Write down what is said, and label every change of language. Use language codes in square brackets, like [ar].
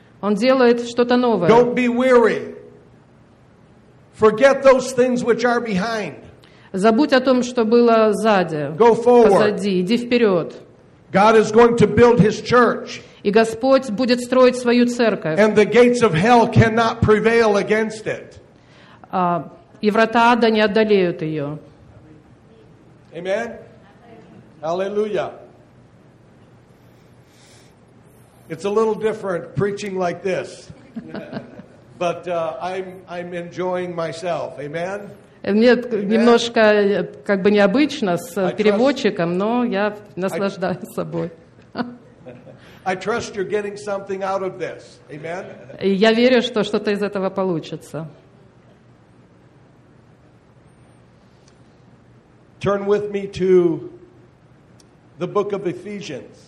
[ru] Он делает что-то новое. [en] Don't be weary. Forget those things which are behind. [ru] Забудь о том, что было сзади. [en] Go forward. [ru] Позади. Иди вперед. [en] God is going to build his church. [ru] И Господь будет строить свою церковь. [en] And the gates of hell cannot prevail against it. [ru] И врата ада не одолеют ее. [en] Amen. Hallelujah. It's a little different preaching like this. But I'm enjoying myself. Amen. [ru] Мне немножко как бы необычно с переводчиком, но я наслаждаюсь собой. [en] I trust you're getting something out of this. Amen. [ru] Я верю, что что-то из этого получится. [en] Turn with me to the book of Ephesians.